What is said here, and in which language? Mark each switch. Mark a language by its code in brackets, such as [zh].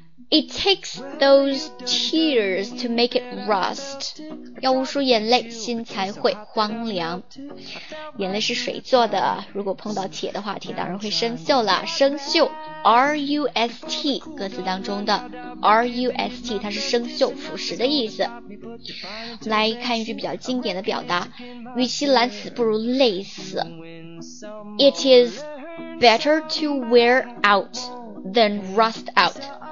[en] It takes those tears to make it rust. [zh] 要说眼泪心才会荒凉。眼泪是水做的，如果碰到铁的话，铁当然会生锈了。生锈 ,R-U-S-T, 歌词当中的 R-U-S-T, 它是生锈腐蚀的意思。来看一句比较经典的表达，与其懒死不如累死。 [en] It is better to wear out than rust out.